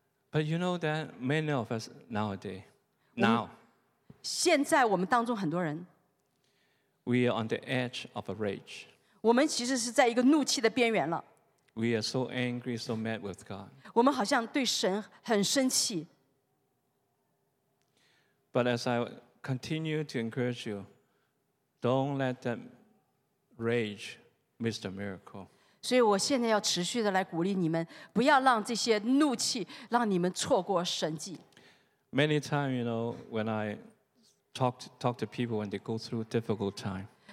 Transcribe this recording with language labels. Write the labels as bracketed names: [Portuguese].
[English] But you know that many of us nowadays, [Chinese] 现在我们当中很多人, [English] we are on the edge of a rage. [Chinese] 我们其实是在一个怒气的边缘了。 [English] We are so angry, so mad with God. [Chinese] 我们好像对神很生气。 [English] But as I continue to encourage you, don't let that rage miss the miracle. [Chinese] 所以我现在要持续的来鼓励你们，不要让这些怒气让你们错过神迹。 [English] Many times, you know, when I talk to people when they go through difficult time,